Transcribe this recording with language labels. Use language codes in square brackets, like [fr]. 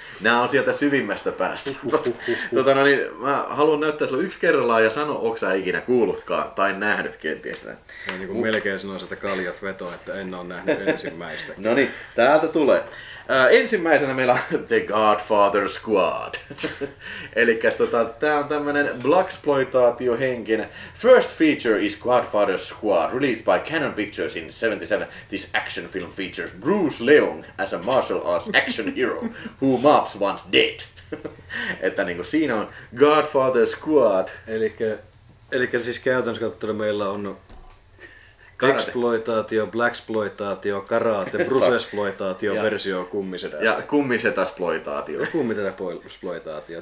[fi] Nämä on sieltä syvimmästä päästä. Niin, mä haluan näyttää sulle yksi kerrallaan ja sano, onko sä ikinä kuullutkaan tai nähnyt kenties näin. Mä niin kuin melkein sanoisin, että kaljat vetoa, että en ole nähnyt ensimmäistä. No niin, täältä tulee. Ensimmäisenä meillä on The Godfather Squad. Elikäs tää on tämmönen blaxploitaatiohenkinen. [en] First feature is Godfather Squad, released by Canon Pictures in 77. This action film features Bruce Leung as a martial arts action hero who mobs once dead. [fi] Että niinku siinä on Godfather Squad. Elikkä siis käytännössä katsottuna meillä on exploitaatio, blaxploitaatio, karate, brusesploitaatio versio kummisedästä. Ja kummisetasploitaatio. Kummisetasploitaatio.